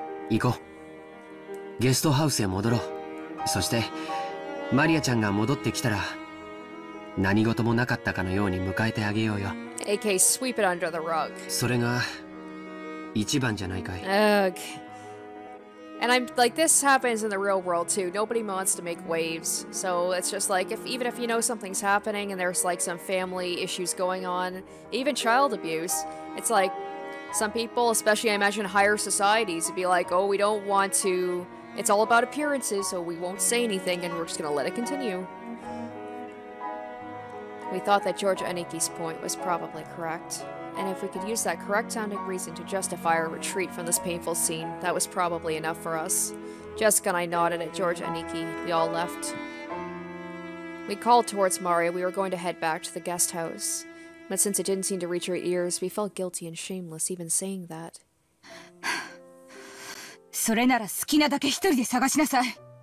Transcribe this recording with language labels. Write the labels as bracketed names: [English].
[Japanese] 行こう。ゲストハウスへ戻ろう。そしてマリアちゃんが戻ってきたら何事もなかったかのように迎えてあげようよ。 [English] AK sweep it under the rug。 [Japanese] それが一番じゃないかい。 [English] Ugh. And I'm like, this happens in the real world too. Nobody wants to make waves. So it's just like, even if you know something's happening and there's like some family issues going on, even child abuse, it's like some people, especially I imagine higher societies, would be like, oh, we don't want to, it's all about appearances, so we won't say anything and we're just gonna let it continue. We thought that George Aniki's point was probably correct. And if we could use that correct-sounding reason to justify our retreat from this painful scene, that was probably enough for us. Jessica and I nodded at George Aniki. We all left. We called towards Maria. We were going to head back to the guest house. But since it didn't seem to reach her ears, we felt guilty and shameless even saying that. [Japanese] それなら好きなだけ一人で探しなさい。